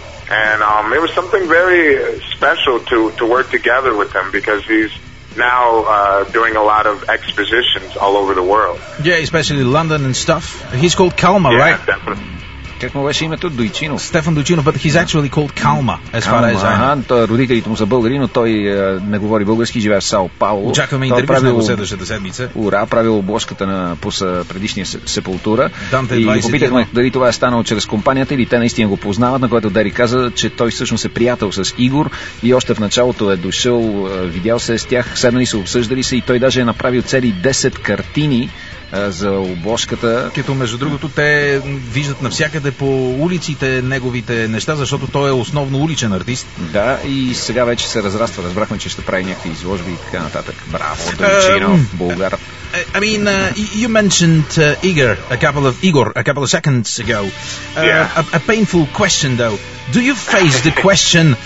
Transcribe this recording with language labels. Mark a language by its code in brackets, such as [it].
[en] And it was something very special to work together with him because he's now doing a lot of expositions all over the world. Yeah, especially London and stuff. He's called Kalma, yeah, right? Yeah, definitely. [bg] Как му беше името? Дуйчинов. [en] Стефан Дуйчинов, but he's actually called Калма, as far as I know. [bg] Родителите му са българи, но той не говори български, живее в Сао Пауло. Очакваме интервю с него следващата седмица. Ура, правил обложката на пуса предишния Сепултура. Данте 21. И попитахме дали това е станало чрез компанията или те наистина го познават, на което Дерик каза, че той всъщност е приятел с Игор и още в началото е дошъл, видял се с тях, седнали се, обсъждали се и той даже е направил цели 10 картини за обложката. Като между другото те виждат навсякъде по улиците неговите неща, защото той е основно уличен артист. Да, и сега вече се разраства. Разбрахме, че ще прави някакви изложби и така нататък. Браво, Дуйчинов, българ. [en] I mean, you mentioned Igor a couple of seconds ago. Yeah. A painful question though. Do you face the question